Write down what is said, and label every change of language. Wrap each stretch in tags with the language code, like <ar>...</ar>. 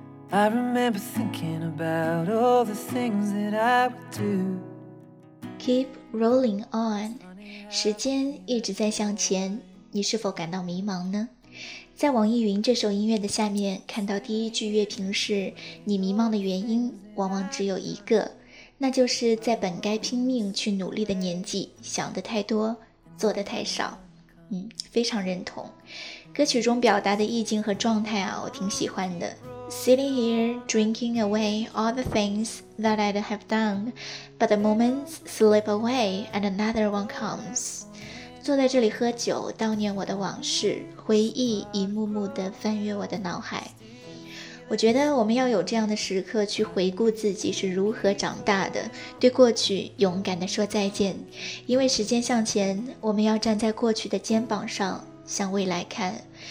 <en>I remember thinking about all the things that I would do. Keep rolling on.</en> <zh>时间一直在向前，你是否感到迷茫呢？在网易云这首音乐的下面看到第一句乐评是，你迷茫的原因往往只有一个，那就是在本该拼命去努力的年纪，想得太多，做得太少。非常认同。歌曲中表达的意境和状态啊，我挺喜欢的。</zh> <en>Sitting here, drinking away all the things that I'd have done, but the moments slip away and another one comes.</en> <zh>坐在这里喝酒，悼念我的往事，回忆一幕幕地翻越我的脑海。我觉得我们要有这样的时刻去回顾自己是如何长大的，对过去勇敢地说再见。因为时间向前，我们要站在过去的肩膀上向未来看。</zh>